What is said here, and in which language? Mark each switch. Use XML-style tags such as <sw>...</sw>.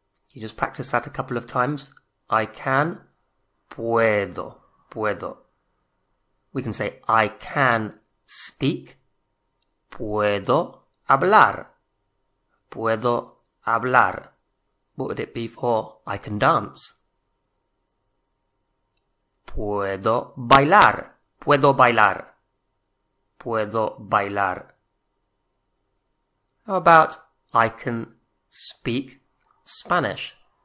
<en>You just practice that a couple of times. I can,</en> <es>puedo, puedo.</es> <en>We can say I can speak,</en> <es>puedo hablar, puedo hablar.</es> <en>What would it be for I can dance?</en> <es>Puedo bailar. Puedo bailar. Puedo bailar.</es> <en>How about I can speak Spanish?</en>